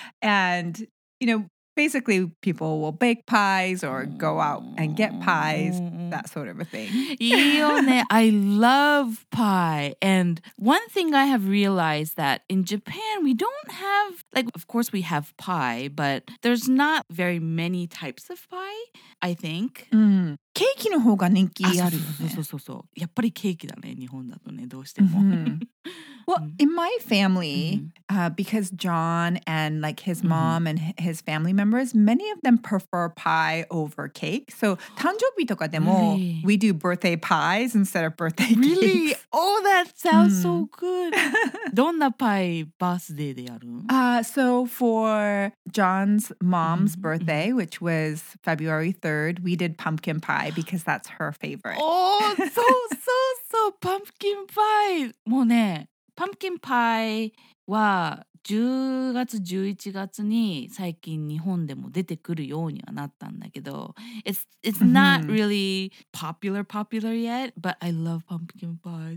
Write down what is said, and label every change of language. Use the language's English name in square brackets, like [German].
[English] And, you know, basically people will bake pies or go out and get pies, that sort of a thing. I love pie. And one thing I have realized that in Japan, we don't have, like, of course we have pie, but there's not very many types of pie, I think. [Japanese] ケーキの方が人気あるよね。そう。やっぱりケーキだね、日本だとね、どうしても。 Mm-hmm. [English] Well, in my family, because John and like his mom and his family members, many of them prefer pie over cake. So, [Japanese] 誕生日とかでも、 [English] we do birthday pies instead of birthday cakes. Really? Oh, that sounds so good. [Japanese] どんなパイバースデーでやる? [English] So, for John's mom's birthday, which was February 3rd, we did pumpkin pie because that's her favorite. Oh, so, pumpkin pie. [Japanese] もうね。パンプキンパイは10月11月に最近日本でも出てくるようにはなったんだけど [English] it's not really popular yet but I love pumpkin pie